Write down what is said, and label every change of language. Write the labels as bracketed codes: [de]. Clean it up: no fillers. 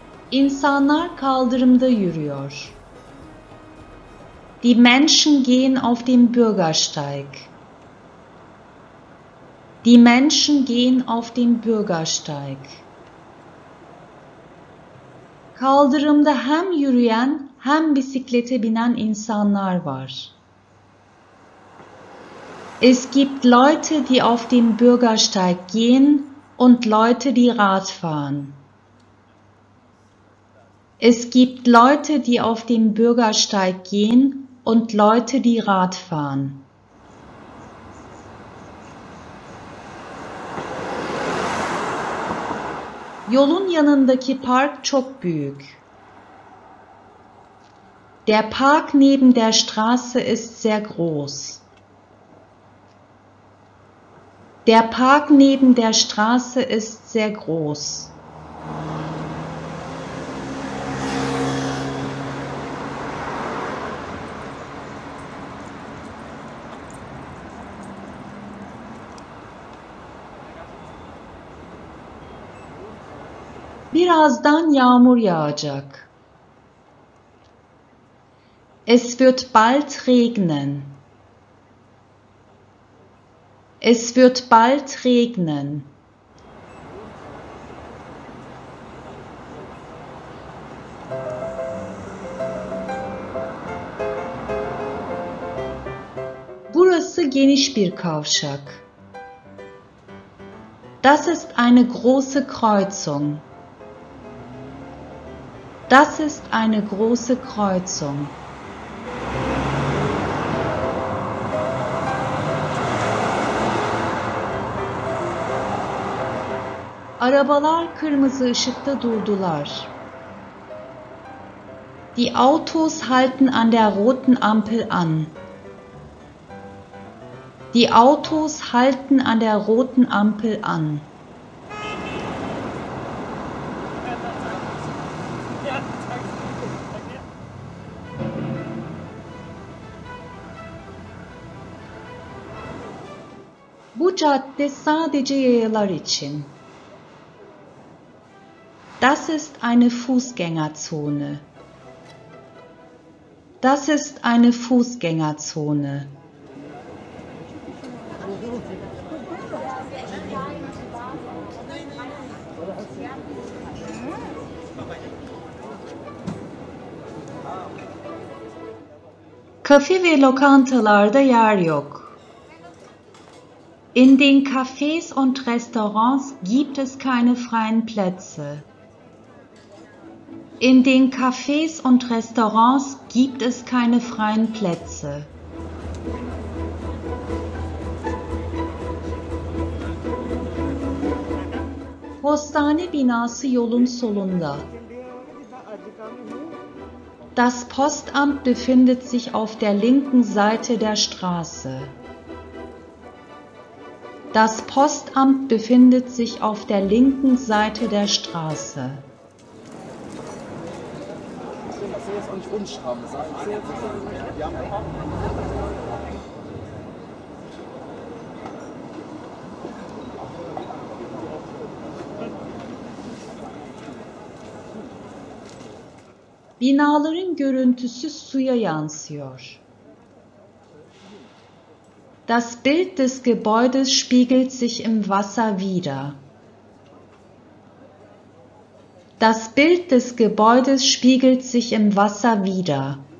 [tr] İnsanlar kaldırımda yürüyor. [de] Die Menschen gehen auf dem Bürgersteig. Die Menschen gehen auf dem Bürgersteig. [tr] Kaldırımda hem yürüyen hem bisiklete binen insanlar var. [de] Es gibt Leute, die auf dem Bürgersteig gehen und Leute, die Rad fahren. Es gibt Leute, die auf dem Bürgersteig gehen und Leute, die Rad fahren. [tr] Yolun yanındaki park çok büyük. [de] Der Park neben der Straße ist sehr groß. Der Park neben der Straße ist sehr groß. [tr] Birazdan yağmur yağacak. [de] Es wird bald regnen. Es wird bald regnen. [tr] Burası geniş bir kavşak. [de] Das ist eine große Kreuzung. Das ist eine große Kreuzung. [tr] Arabalar kırmızı ışıkta durdular. [de] Die Autos halten an der roten Ampel an. Die Autos halten an der roten Ampel an. [tr] Bu cadde sadece yayalar için. [de] Das ist eine Fußgängerzone. Das ist eine Fußgängerzone. [tr] Kafe ve lokantalarda yer yok. [de] In den Cafés und Restaurants gibt es keine freien Plätze. In den Cafés und Restaurants gibt es keine freien Plätze. [tr] Postane binası yolun solunda. [de] Das Postamt befindet sich auf der linken Seite der Straße. Das Postamt befindet sich auf der linken Seite der Straße. [tr] Binaların görüntüsü suya yansıyor. [de] Das Bild des Gebäudes spiegelt sich im Wasser wider. Das Bild des Gebäudes spiegelt sich im Wasser wider.